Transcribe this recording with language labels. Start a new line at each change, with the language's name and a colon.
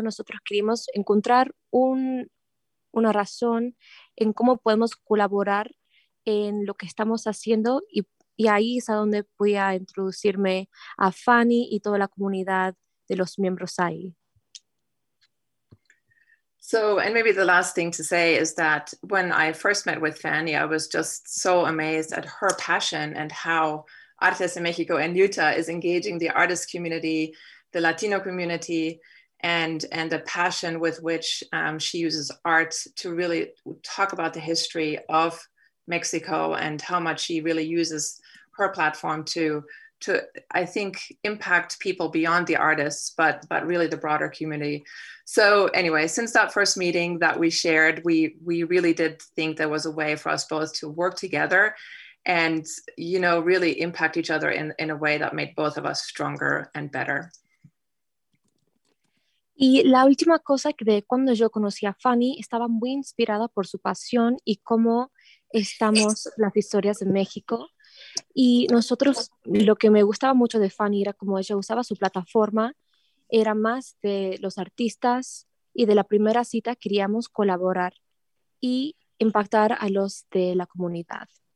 Spanish: Nosotros queríamos encontrar una razón en cómo podemos colaborar en lo que estamos haciendo, y ahí es a donde voy a introducirme a Fanny y toda la comunidad de los miembros ahí.
English: So, and maybe the last thing to say is that when I first met with Fanny, I was just so amazed at her passion and how Artes de México en Utah is engaging the artist community, the Latino community, and the passion with which she uses art to really talk about the history of Mexico and how much she really uses her platform to I think impact people beyond the artists, but really the broader community. So anyway, since that first meeting that we shared, we really did think there was a way for us both to work together and, you know, really impact each other in a way that made both of us stronger and better.
Spanish: Y la última cosa que de cuando yo conocí a Fanny, estaba muy inspirada por su pasión y cómo estamos las historias de México. Y nosotros, lo que me gustaba mucho de Fanny era como ella usaba su plataforma, era más de los artistas y de la primera cita queríamos colaborar y impactar a los de la comunidad.